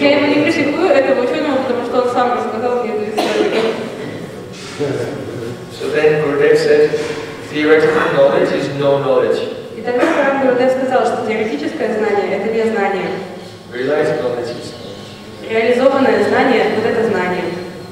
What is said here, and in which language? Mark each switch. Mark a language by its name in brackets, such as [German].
[Russian] Я ему не критикую этого ученого, потому что он сам рассказал мне эту историю. [English] So then Gurudev said, theoretical knowledge is no knowledge. [Russian] И тогда Парам Гурудев сказал, что теоретическое знание — это не знание. [English] Realized knowledge is [Russian] Реализованное знание — вот это знание.